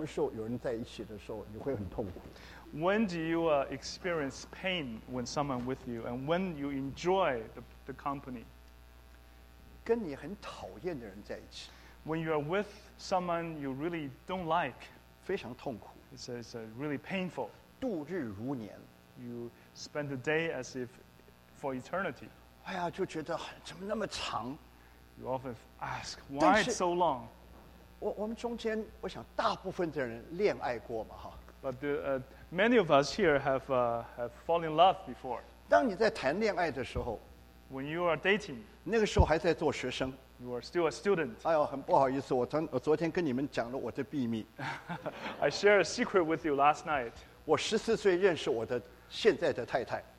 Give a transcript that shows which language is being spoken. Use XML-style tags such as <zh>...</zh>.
<en>When do you experience pain when someone with you, and when you enjoy the company?</en> <zh>跟你很讨厌的人在一起,</zh> <en>when you are with someone you really don't like,</en> <zh>非常痛苦,</zh> <en>it's really painful.</en> <zh>度日如年,</zh> <en>you spend the day as if for eternity.</en> <zh>哎呀, 就觉得怎么那么长?</zh> <en>You often ask, why it's so long?</en> <zh>我们中间我想大部分的人恋爱过嘛,</zh> <en>but many of us here have fallen in love before.</en> <zh>当你在谈恋爱的时候,</zh> <en>when you are dating,</en> <zh>那个时候还在做学生,</zh> <en>you are still a student.</en> <zh>哎呦, 很不好意思, 我昨天跟你们讲了我的秘密。</zh> <en>I share a secret with you last night.</en> <zh>我14岁认识我的现在的太太。</zh>